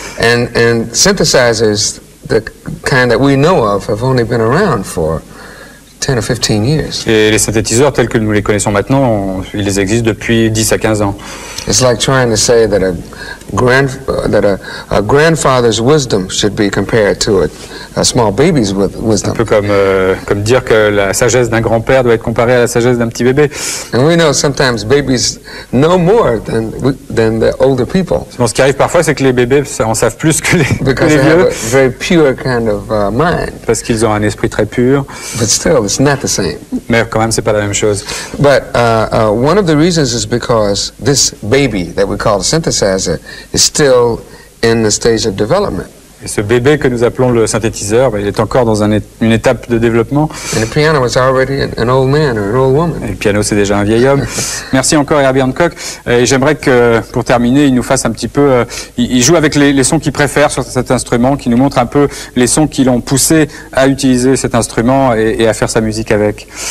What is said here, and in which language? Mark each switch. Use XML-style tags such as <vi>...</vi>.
<en>And synthesizers, the kind that we know of, have only been around for 10 or 15 years.</en> <fr>Et les synthétiseurs tels que nous les connaissons maintenant, ils les existent depuis 10 à 15 ans.</fr> <en>It's like trying to say that a grandfather's wisdom should be compared to a small baby's wisdom.</en> <fr>Un peu comme dire que la sagesse d'un grand-père doit être comparée à la sagesse d'un petit bébé.</fr> <en>And we know sometimes babies know more than the older people.</en> <fr>Bon, ce qui arrive parfois, c'est que les bébés en savent plus que les vieux.</fr> <en>Because they have a very pure kind of mind.</en> <fr>Parce qu'ils ont un esprit très pur.</fr> <en>But still, it's not the same.</en> <fr>Mais quand même, c'est pas la même chose.</fr> <en>But one of the reasons is because this baby that we call a synthesizer is still in the stage of development.</en> <fr>Et ce bébé que nous appelons le synthétiseur, il est encore dans une étape de développement.</fr> <en>And the piano was already an old man or an old woman.</en> <fr>Et le piano, c'est déjà un vieil homme. Merci encore, Herbie Hancock. Et j'aimerais que, pour terminer, il nous fasse un petit peu... Il joue avec les sons qu'il préfère sur cet instrument, qui nous montre un peu les sons qui l'ont poussé à utiliser cet instrument et à faire sa musique avec.</fr>